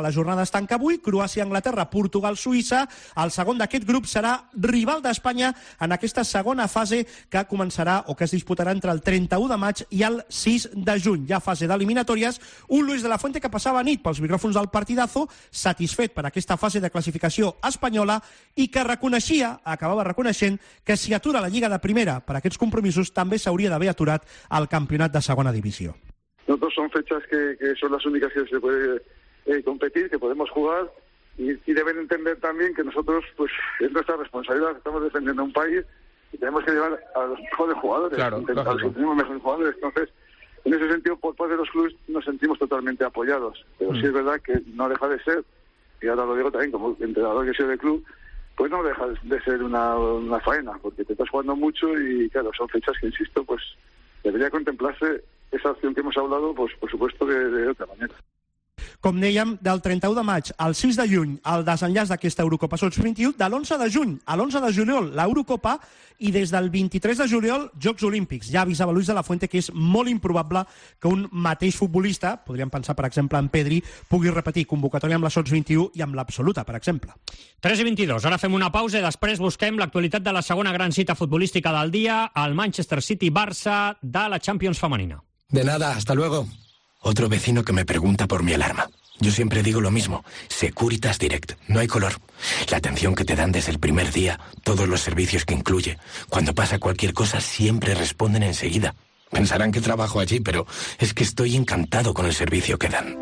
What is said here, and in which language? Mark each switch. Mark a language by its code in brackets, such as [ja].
[ca] La jornada es tanca avui, Croàcia, Anglaterra, Portugal, Suïssa. El segon d'aquest grup serà rival d'Espanya en aquesta segona fase que començarà o que es disputarà entre el 31 de maig i el 6 de juny, ja fase d'eliminatòries, un Luis de la Fuente que passava nit pels micròfons del Partidazo, satisfet per aquesta fase de classificació espanyola i que reconeixia, acabava reconeixent, que si atura la Lliga de Primera per aquests compromisos també s'hauria d'haver aturat el campionat de segona divisió. [es] Nosotros son fechas que son las únicas que se puede competir, que podemos jugar, y deben entender también que nosotros, pues, es nuestra responsabilidad, estamos defendiendo a un país y tenemos que llevar a los mejores jugadores. Claro, intentar, claro. Si tenemos mejores jugadores. Entonces, en ese sentido, por parte de los clubes, nos sentimos totalmente apoyados. Pero sí es verdad que no deja de ser, y ahora lo digo también como entrenador que soy del club, pues no deja de ser una faena, porque te estás jugando mucho y, claro, son fechas que, insisto, pues debería contemplarse esa opción que hemos hablado, pues, por supuesto, de otra manera. [ca] Com dèiem, del 31 de maig al 6 de juny, el desenllaç d'aquesta Eurocopa Sub-21, de l'11 de juny a l'11 de juliol, l'Eurocopa, i des del 23 de juliol, Jocs Olímpics. Ja avisava Luis de la Fuente que és molt improbable que un mateix futbolista, podríem pensar, per exemple, en Pedri, pugui repetir convocatòria amb la Sub-21 i amb l'absoluta, per exemple. 3 i 22. Ara fem una pausa i després busquem l'actualitat de la segona gran cita futbolística del dia, el Manchester City-Barça de la Champions femenina. [es] De nada, hasta luego. Otro vecino que me pregunta por mi alarma. Yo siempre digo lo mismo, Securitas Direct, no hay color. La atención que te dan desde el primer día, todos los servicios que incluye, cuando pasa cualquier cosa siempre responden enseguida. Pensarán que trabajo allí, pero es que estoy encantado con el servicio que dan.